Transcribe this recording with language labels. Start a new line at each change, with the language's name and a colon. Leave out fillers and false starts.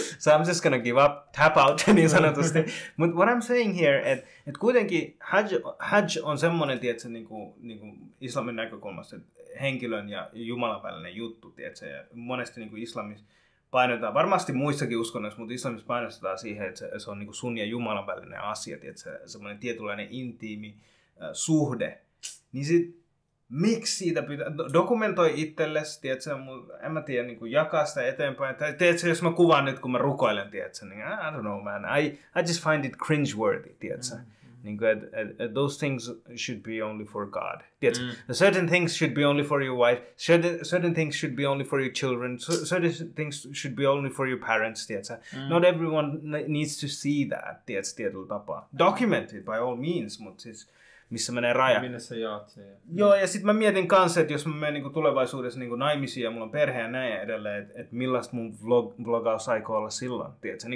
English: So I'm just gonna give up, tap out,
Finnish: niin sanotusti.
English: But what I'm saying here,
Finnish: että kuitenkin hajj on semmonen, tietsä, niinku islamin näkökulmasta, että henkilön ja Jumalan välinen juttu, tietsä, ja monesti niinku islamissa painotetaan, varmasti muissakin uskonnoissa, mutta islamissa painostetaan siihen, että se on niinku sun ja Jumalan välinen asia, tietsä, semmonen tietynlainen intiimi suhde. Niin sit miksi siitä pitää, dokumentoi itsellesi, tiedätkö, en mä tiedä, niin kuin jakaa sitä eteenpäin. Tai tiedätkö, jos mä kuvaan nyt, kun mä rukoilen, tiedätkö, niin
English: I don't know, man, I just find it cringeworthy,
Finnish: tiedätkö. Niin kuin, et
English: those things should be only for God,
Finnish: tiedätkö.
English: Certain things should be only for your wife, certain things should be only for your children, certain things should be only for your parents,
Finnish: tiedätkö.
English: Not everyone needs to see that,
Finnish: tiedätkö, tietyllä tapaa.
English: Document it by all means,
Finnish: mutta siis... missä menee raja. Minne sä jaat sen. Joo, ja sit mä mietin kanssa, että jos mä menen niinku tulevaisuudessa niinku naimisiin ja mulla on perhe ja näin edelleen, että millaista mun vlogaus aikoo olla silloin, tiedätkö?